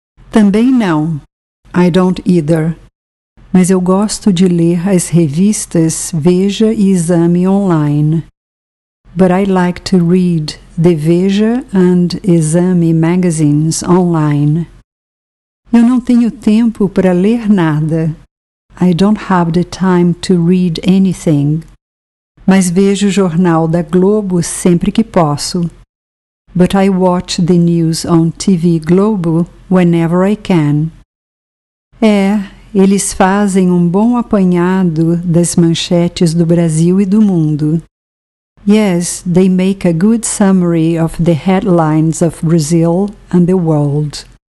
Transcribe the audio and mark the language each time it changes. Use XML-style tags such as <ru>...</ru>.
<pt>Também não, I don't either. Mas eu gosto de ler as revistas Veja e Exame online.</pt> <en>But I like to read the Veja and Exame magazines online. Eu não tenho tempo para ler nada. I don't have the time to read anything.</en> <pt>Mas vejo o jornal da Globo sempre que posso.</pt> <en>But I watch the news on TV Globo whenever I can.</en> <pt>É, eles fazem um bom apanhado das manchetes do Brasil e do mundo.</pt> <en>Yes, they make a good summary of the headlines of Brazil and the world.</en>